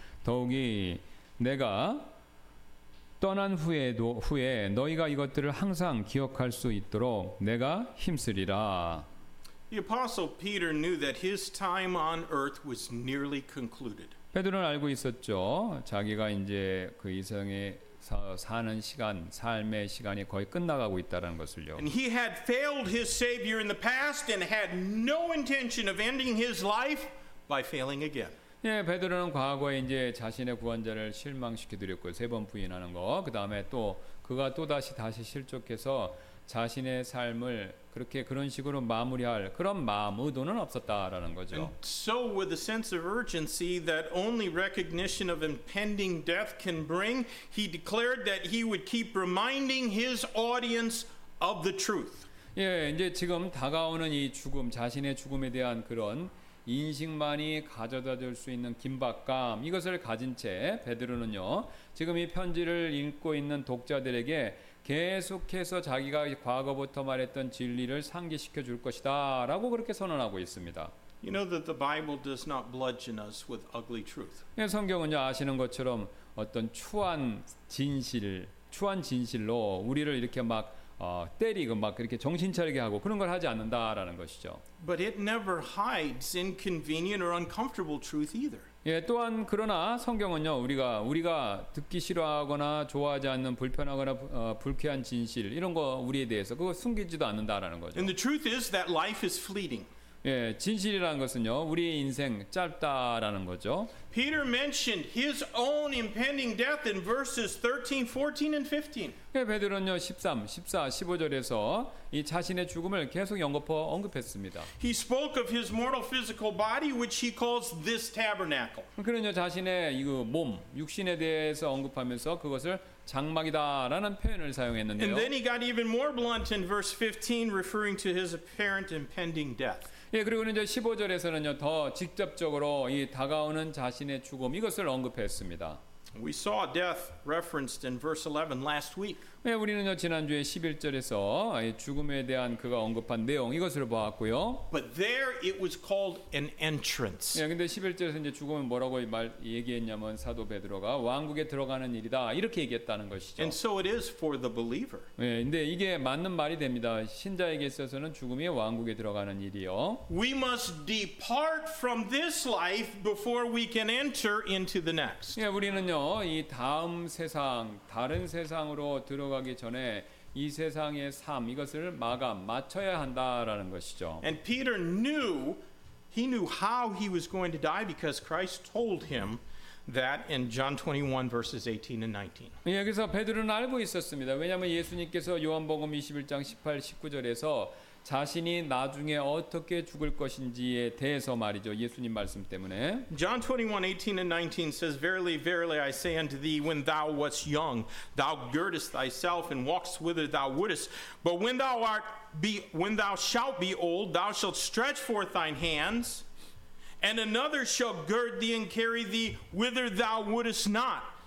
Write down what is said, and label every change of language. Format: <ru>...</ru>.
<ko>더욱이 내가 떠난 후에 너희가 이것들을 항상 기억할 수 있도록 내가 힘쓰리라.</ko> <en>The apostle Peter knew that his time on earth was nearly concluded.</en> <ko>베드로는 알고 있었죠. 자기가 이제 그 이상의 사는 시간, 삶의 시간이 거의 끝나가고 있다라는 것을요.</ko> <en>And he had failed his Savior in the past and had no intention of ending his life by failing again.</en> <ko>예, 베드로는 과거에 이제 자신의 구원자를 실망시켜 드렸고 세 번 부인하는 거, 그다음에 또 그가 또 다시 실족해서 자신의 삶을 그렇게 그런 식으로 마무리할 그런 마음 의도는 없었다라는 거죠.</ko> <en>And so with a sense of urgency that only recognition of impending death can bring, he declared that he would keep reminding his audience of the truth.</en> <ko>예, 이제 지금 다가오는 이 죽음, 자신의 죽음에 대한 그런 인식만이 가져다 줄 수 있는 긴박감, 이것을 가진 채 베드로는요 지금 이 편지를 읽고 있는 독자들에게 계속해서 자기가 과거부터 말했던 진리를 상기시켜 줄 것이다 라고 그렇게 선언하고 있습니다.</ko> <en>You know that the Bible does not bludgeon us with ugly truth.</en> <ko>예, 성경은요 아시는 것처럼 어떤 추한 진실, 추한 진실로 우리를 이렇게 막 때리고 막 그렇게 정신 차리게 하고 그런 걸 하지 않는다라는 것이죠.</ko> <en>But it never hides inconvenient or uncomfortable truth either.</en> <ko>예, 또한 그러나 성경은요 우리가 듣기 싫어하거나 좋아하지 않는 불편하거나 불쾌한 진실 이런 거 우리에 대해서 그거 숨기지도 않는다라는 거죠.</ko> <en>And the truth is that life is fleeting.</en> <ko>예, 진실이라는 것은요 우리의 인생 짧다라는 거죠.</ko> <en>Peter mentioned his own impending death in verses 13, 14, and 15.</en> <ko>예, 베드로는요 13, 14, 15절에서 이 자신의 죽음을 계속 언급했습니다.</ko> <en>He spoke of his mortal physical body, which he calls this tabernacle.</en> <ko>그는요 자신의 이 몸, 육신에 대해서 언급하면서 그것을 장막이다라는 표현을 사용했는데요.</ko> <en>And then he got even more blunt in verse 15, referring to his apparent impending death.</en> <ko>예, 그리고 이제 15절에서는요 더 직접적으로 이 다가오는 자신의 죽음 이것을 언급했습니다.</ko> <en>We saw death referenced in verse 11 last week.</en> <ko>예, 우리는요 지난주에 11절에서 이 죽음에 대한 그가 언급한 내용 이것을 보았고요.</ko> <en>But there it was called an entrance.</en> <ko>예, 근데 11절에서 이제 죽음은 뭐라고 얘기했냐면 사도 베드로가 왕국에 들어가는 일이다 이렇게 얘기했다는 것이죠.</ko> <en>And so it is for the believer.</en> <ko>예, 근데 이게 맞는 말이 됩니다. 신자에게 있어서는 죽음이 왕국에 들어가는 일이요.</ko> <en>We must depart from this life before we can enter into the next.</en> <ko>예, 우리는요 이 다음 세상 다른 세상으로 들어 가기 전에 이 세상의 삶 이것을 마감 마쳐야 한다라는 것이죠.</ko> <en>And Peter knew he knew how he was going to die because Christ told him that in John 21 verses 18 and 19.</en> <ko>예, 그래서 베드로는 알고 있었습니다. 왜냐하면 예수님께서 요한복음 21장 18, 19절에서 자신이 나중에 어떻게 죽을 것인지에 대해서 말이죠. 예수님 말씀 때문에.</ko> <en>John 21, 18 and 19 says, Verily, verily, I say unto thee, when thou wast young, thou girdest thyself and walkest whither thou wouldest. But when thou shalt be old, thou shalt stretch forth thine hands, and another shall gird thee and carry thee whither thou wouldest not.</en>